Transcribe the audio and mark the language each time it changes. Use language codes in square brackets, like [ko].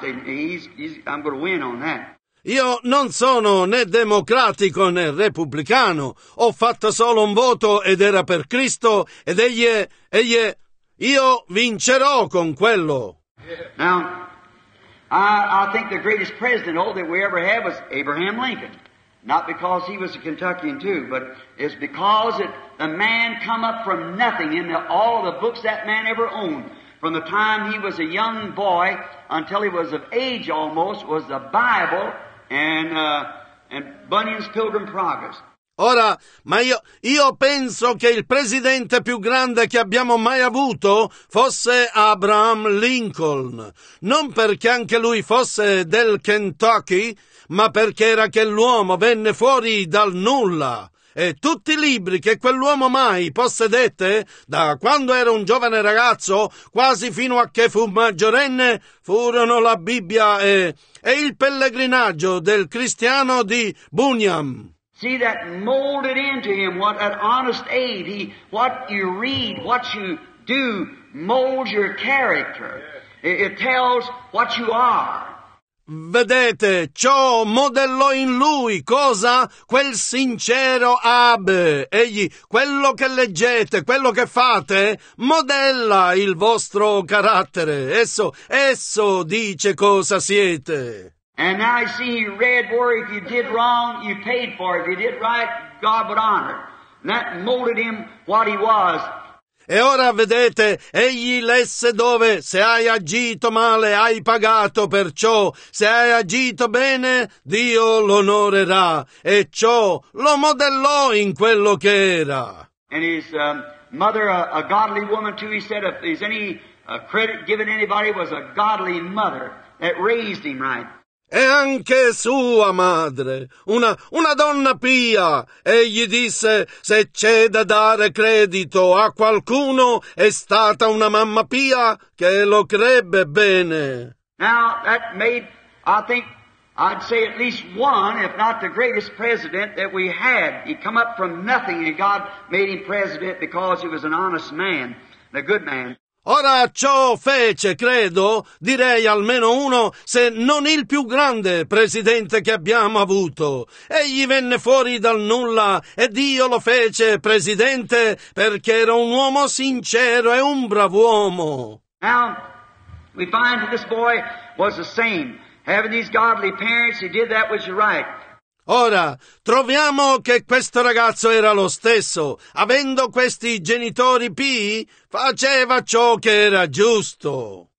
[en] I'm going to win on that. [it] Io non sono né democratico né repubblicano, ho fatto solo un voto ed era per Cristo, ed egli è, io vincerò con quello. [en] Now, I think the greatest president all that we ever had was Abraham Lincoln. Not because he was a Kentuckian too, but it's because the man come up from nothing in all the books that man ever owned. From the time he was a young boy until he was of age almost, was the Bible. And Bunyan's Pilgrim Progress. [it] Ora, ma io penso che il presidente più grande che abbiamo mai avuto fosse Abraham Lincoln. Non perché anche lui fosse del Kentucky, ma perché era che l'uomo venne fuori dal nulla. E tutti i libri che quell'uomo mai possedette, da quando era un giovane ragazzo, quasi fino a che fu maggiorenne, furono la Bibbia e il pellegrinaggio del cristiano di Bunyan. [en] See that molded into him, what an honest aid, what you read, what you do, molds your character. It tells what you are. [it] Vedete, ciò modellò in lui, cosa? Quel sincero Abe. Egli, quello che leggete, quello che fate, modella il vostro carattere. Esso dice cosa siete. [en] And now I see he read where if you did wrong, you paid for it. If you did right, God would honor. And that molded him what he was. [it] E ora vedete, egli lesse dove, se hai agito male, hai pagato per ciò, se hai agito bene, Dio l'onorerà, e ciò lo modellò in quello che era. [en] And his mother, a godly woman too, he said, if there's any credit given anybody, was a godly mother that raised him right. [it] E anche sua madre, una donna pia, egli disse, se c'è da dare credito a qualcuno, è stata una mamma pia che lo crebbe bene. [en] Now, that made, I think, I'd say at least one, if not the greatest president that we had. He come up from nothing and God made him president because he was an honest man, a good man. [it] Ora ciò fece, credo, direi almeno uno, se non il più grande presidente che abbiamo avuto. Egli venne fuori dal nulla e Dio lo fece presidente perché era un uomo sincero e un brav'uomo. [en] Now, we find that this boy was the same. Having these godly parents, he did that which was right. [it] Ora, troviamo che questo ragazzo era lo stesso. Avendo questi genitori pii, faceva ciò che era giusto.